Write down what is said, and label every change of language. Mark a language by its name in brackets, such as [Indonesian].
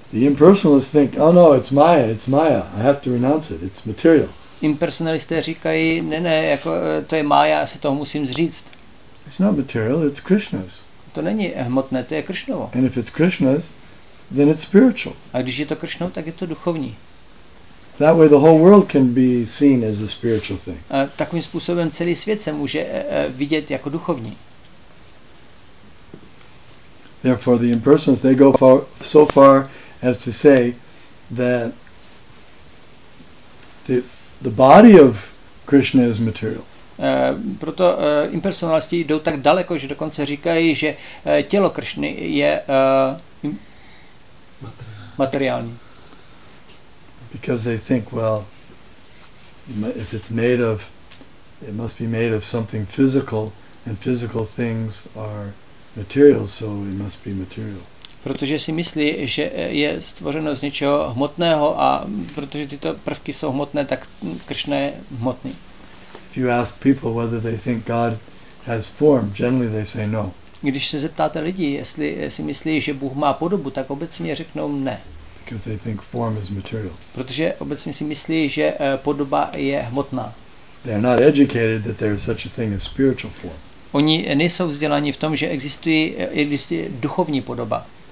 [English] The impersonalists think, oh no, it's Maya, I have to renounce it, it's material. [Czech] Impersonalisté říkají, ne, jako to je Maya, já se toho musím zříct. [English] It's not material, it's Krishna's. [Czech] To není hmotné, to je Krišnovo. [English] And if it's Krishna's, then it's spiritual. [Czech] A když je to Krišnovo, tak je to duchovní. [English] That way the whole world can be seen as a spiritual thing. [Czech] A takovým způsobem celý svět se může vidět jako duchovní. [English] Therefore the impersonalists, they go so far as to say that the body of Krishna is material. [Czech] Proto impersonalisti jdou tak daleko, že dokonce říkají, že tělo Krishny je materiální. [English] because they think, well, if it's made of, it must be made of something physical, and physical things are material, so it must be material. [Czech] Protože si myslí, že je stvořeno z něčeho hmotného a protože tyto prvky jsou hmotné, tak Krishna je hmotný. [English] If you ask people whether they think God has form, generally they say no. [Czech] Když se zeptáte lidí, jestli si myslí, že Bůh má podobu, tak obecně řeknou ne. [English] Because they think form is material. [Czech] Protože obecně si myslí, že podoba je hmotná. [English] They are not educated that there is such a thing as spiritual form. [Czech] Oni nejsou vzděláni v tom, že existuje duchovní podoba.